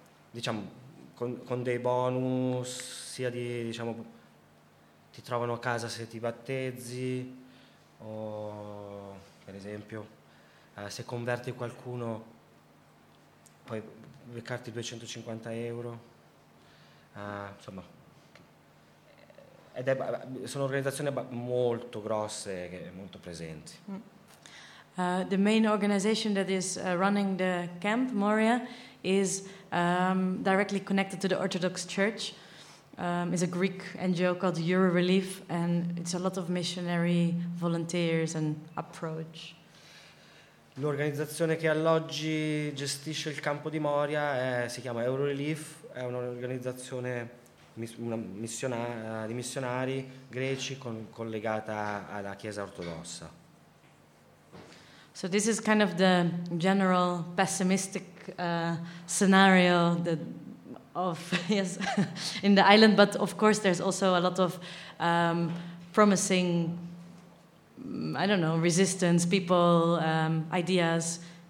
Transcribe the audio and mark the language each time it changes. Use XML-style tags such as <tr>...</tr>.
<it>Diciamo, con dei bonus, sia di, diciamo, ti trovano a casa se ti battezzi, o per esempio se converti qualcuno puoi beccarti 250 euro, insomma, sono organizzazioni molto grosse che sono molto presenti.</it> <en>The main organization that is running the camp Moria is directly connected to the Orthodox Church. It's a Greek NGO called EuroRelief, and it's a lot of missionary volunteers and approach.</en> <it>L'organizzazione che alloggi gestisce il campo di Moria si chiama EuroRelief, è un'organizzazione di missionari greci collegata alla Chiesa Ortodossa.</it> <en>So this is kind of the general pessimistic scenario that of yes, in the island. But of course, there's also a lot of promising, I don't know, resistance, people, ideas.</en>